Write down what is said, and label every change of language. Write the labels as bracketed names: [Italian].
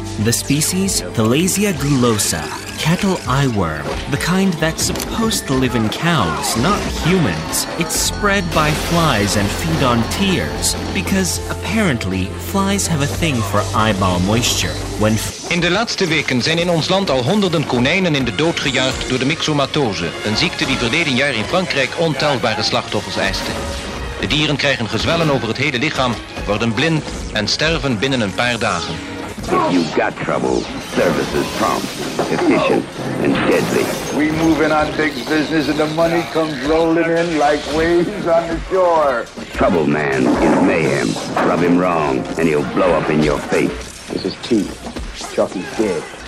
[English] The species, Thalassia gulosa. Cattle eye worm, the kind that's supposed to live in cows, not humans. It's spread by flies and feed on tears, because apparently flies have a thing for eyeball moisture. [Dutch] In de laatste weken zijn in ons land al honderden konijnen in de dood gejaagd door de myxomatose, een ziekte die verleden jaar in Frankrijk ontelbare slachtoffers eiste. De dieren krijgen gezwellen over het hele lichaam, worden blind en sterven binnen een paar dagen. [English] If you've got trouble, service is prompt, efficient, and deadly. We move in on big business and the money comes rolling in like waves on the shore. Trouble man is mayhem. Rub him wrong and he'll blow up in your face. This is T. Chalky's dead.